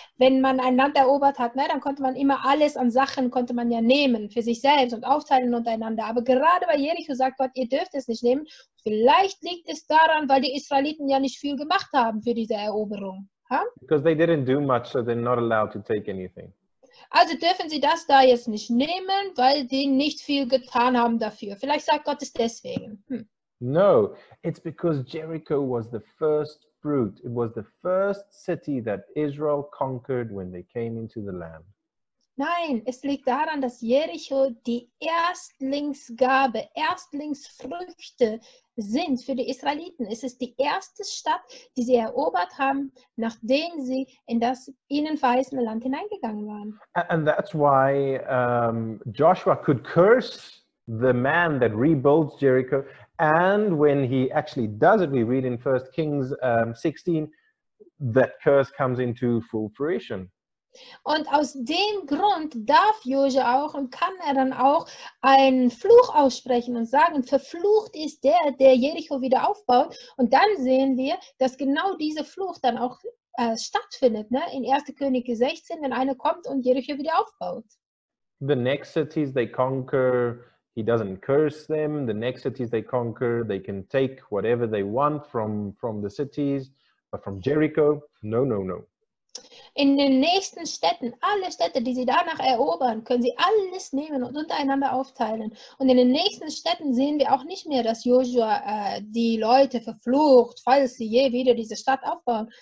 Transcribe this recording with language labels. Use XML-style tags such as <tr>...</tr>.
<de>Wenn man ein Land erobert hat, ne, dann konnte man immer alles an Sachen, konnte man ja nehmen für sich selbst und aufteilen untereinander. Aber gerade bei Jericho sagt Gott, ihr dürft es nicht nehmen. Vielleicht liegt es daran, weil die Israeliten ja nicht viel gemacht haben für diese Eroberung. Ha?</de> <en>Because they didn't do much, so they're not allowed to take anything.</en> <de>Also dürfen sie das da jetzt nicht nehmen, weil die nicht viel getan haben dafür. Vielleicht sagt Gott es deswegen.</de> <en>No, it's because Jericho was the first fruit. It was the first city that Israel conquered when they came into the land.</en> <de>Nein, es liegt daran, dass Jericho die Erstlingsgabe, Erstlingsfrüchte sind für die Israeliten. Es ist die erste Stadt, die sie erobert haben, nachdem sie in das ihnen verheißene Land hineingegangen waren.</de> <en>And that's why Joshua could curse the man that rebuilds Jericho. And when he actually does it, we read in 1 Kings 16, that curse comes into full fruition.</en> <de>Und aus dem Grund darf Josua auch und kann er dann auch einen Fluch aussprechen und sagen, verflucht ist der, der Jericho wieder aufbaut. Und dann sehen wir, dass genau dieser Fluch dann auch stattfindet, ne? In 1. Könige 16, wenn einer kommt und Jericho wieder aufbaut.</de> <en>The next cities they conquer, he doesn't curse them. The next cities they conquer, they can take whatever they want from the cities, but from Jericho, no, no, no.</en> <de>In den nächsten Städten, alle Städte, die sie danach erobern, können sie alles nehmen und untereinander aufteilen. Und in den nächsten Städten sehen wir auch nicht mehr, dass Joshua die Leute verflucht, falls sie je wieder diese Stadt aufbauen.</de>